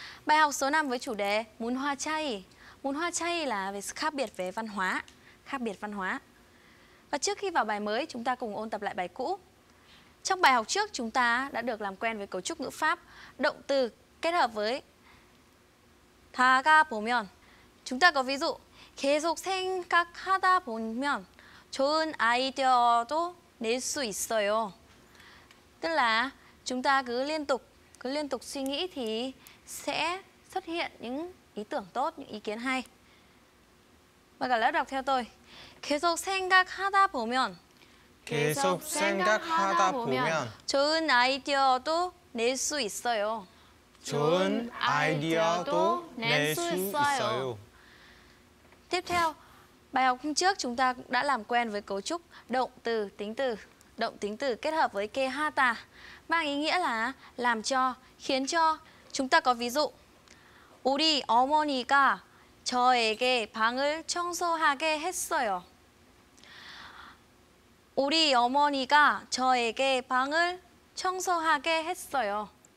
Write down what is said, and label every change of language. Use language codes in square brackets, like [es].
[vi] Bài học số 5 với chủ đề Mun Hoa Chay. Mun Hoa Chay là về sự khác biệt về văn hóa. Khác biệt văn hóa. Và trước khi vào bài mới, chúng ta cùng ôn tập lại bài cũ. Trong bài học trước, chúng ta đã được làm quen với cấu trúc ngữ pháp động từ kết hợp với 다가보면. Chúng ta có ví dụ [ko] 계속 생각하다 보면 좋은 아이디어도 낼 수 있어요. [vi] Tức là chúng ta cứ liên tục suy nghĩ thì sẽ xuất hiện những ý tưởng tốt, những ý kiến hay. Và cả lớp đọc theo tôi. [ko] 계속 생각하다 보면 계속 생각하다 보면 좋은 아이디어도 낼 수 있어요. 좋은 아이디어도 낼 수 있어요. [vi] Tiếp theo, bài học hôm trước chúng ta đã làm quen với cấu trúc động từ tính từ. Động tính từ kết hợp với 게하다 mang ý nghĩa là làm cho, khiến cho. Chúng ta có ví dụ [ko] 우리 어머니가 저에게 방을 청소하게 했어요. 우리 어머니가 저에게 방을 청소하게 했어요.